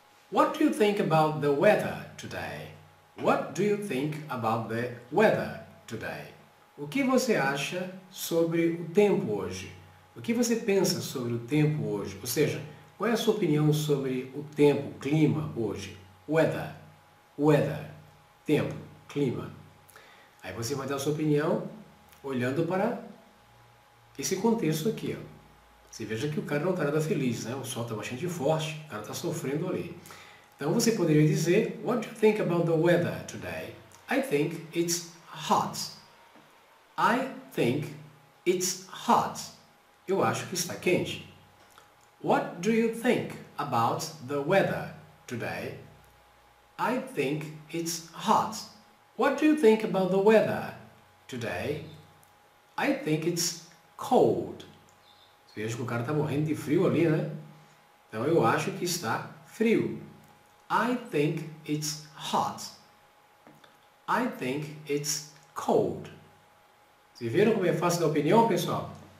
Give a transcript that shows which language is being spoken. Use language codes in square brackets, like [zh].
[en] What do you think about the weather today? What do you think about the weather today? [pt] O que você acha sobre o tempo hoje? O que você pensa sobre o tempo hoje? Ou seja, qual é a sua opinião sobre o tempo, o clima hoje? [en] Weather. Weather. [pt] Tempo. Clima. Aí você vai dar a sua opinião olhando para esse contexto aqui. Ó. Você veja que o cara não está nada feliz, né? O sol está bastante forte, o cara está sofrendo ali. Então você poderia dizer, [en] what do you think about the weather today? I think it's hot. I think it's hot. [pt] Eu acho que está quente. [en] What do you think about the weather today? I think it's hot. What do you think about the weather today? I think it's cold. [pt] Você veja que o cara está morrendo de frio ali, né? Então eu acho que está frio. [en] I think it's hot. I think it's cold. [pt] Vocês viram como é fácil dar opinião, pessoal?